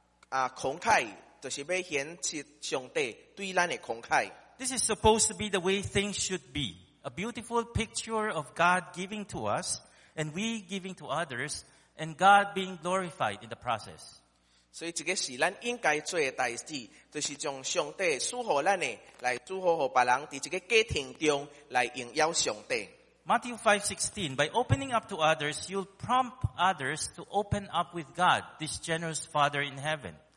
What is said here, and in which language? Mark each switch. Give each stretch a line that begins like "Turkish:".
Min Nan Chinese: 慷慨，就是要显示上帝对咱的慷慨。
English: This is supposed to be the way things should be. A beautiful picture of God giving to us, and we giving to others, and God being glorified in the process.
Min Nan Chinese: 所以这个是咱应该做的代志，就是将上帝赐予咱的来赐予给别人，伫这个过程中来荣耀上帝。
English: Matthew 5:16, by opening up to others, you'll prompt others to open up with God, this generous Father in heaven.